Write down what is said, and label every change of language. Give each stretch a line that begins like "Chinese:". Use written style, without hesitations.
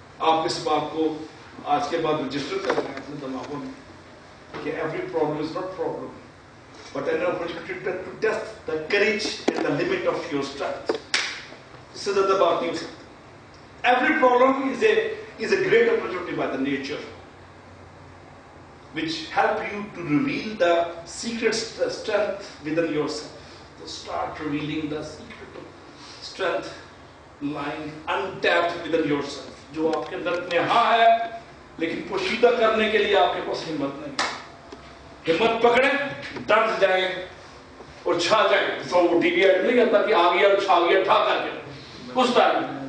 Urdu: آپ اس بات کو آج کے بعد رجسٹر کر رہے ہیں اپنے دماغوں میں کہ
English: Every problem is not problem but an opportunity to test the courage and the limit of your strength.
Urdu: اس سے زیادہ بات نہیں ہو سکتی.
English: Every problem is a great opportunity by the nature which help you to reveal the secret strength within yourself.
Urdu: تو
English: start revealing the secret strength lying untapped within yourself,
Urdu: جو آپ کے اندر میں ہاں ہے لیکن پوشیدہ کرنے کے لیے آپ کے پاس ہمت نہیں. ہمت پکڑے ڈٹ جائے اور چھا جائے, سو وہ ٹی وی ایڈ نہیں کرتا کہ آ گیا اور چھا گیا ٹھا کر کے اس ٹائم.